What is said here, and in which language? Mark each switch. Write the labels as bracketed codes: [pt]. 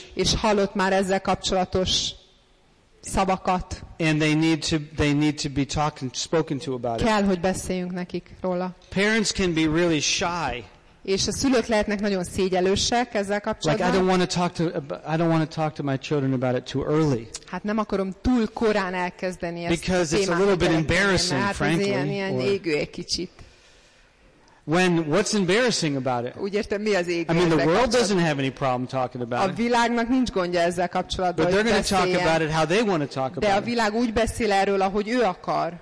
[hu] és hallott már ezzel kapcsolatos szavakat. [en] And they need to be talking spoken to about it. [hu] Kell, hogy beszéljünk nekik róla. [en] Parents can be really shy. [hu] És a szülők lehetnek nagyon szégyenlősek ezzel kapcsolatban. [en] Like I don't want to talk to my children about it too early. [hu] Hát nem akarom túl korán elkezdeni ezt. [en] Because [hu] a témát [en] it's a little bit embarrassing, frankly. [hu] Hát ilyen égő egy kicsit. [en] When what's embarrassing about it? [hu] Úgy értem, mi az égő. [en] I mean, the world doesn't have any problem talking about it. [hu] A világnak nincs gondja ezzel kapcsolatban. [en] But they're going to talk about it how they want to talk about it. [hu] De a világ úgy beszél erről, ahogy ő akar.